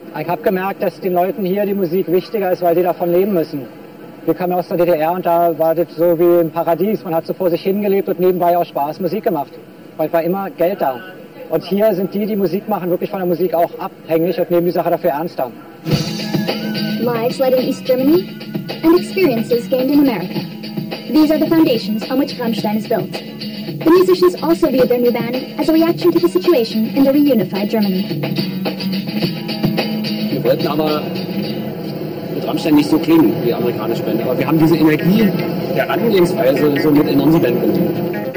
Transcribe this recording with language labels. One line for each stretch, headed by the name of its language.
German: Ich habe gemerkt, dass den Leuten hier die Musik wichtiger ist, weil die davon leben müssen. Wir kamen aus der DDR und da war das so wie ein Paradies. Man hat so vor sich hingelebt und nebenbei auch Spaß Musik gemacht, weil es war immer Geld da. Und hier sind die Musik machen, wirklich von der Musik auch abhängig und nehmen die Sache dafür ernster.
English: Lives led in East Germany and experiences gained in America. These are the foundations on which Rammstein is built. The musicians also viewed their new band as a reaction to the situation in the reunified Germany.
German: Wir wollten aber mit Rammstein nicht so klingen wie amerikanische Band, aber wir haben diese Energie der Herangehensweise so mit in unsere Band genommen.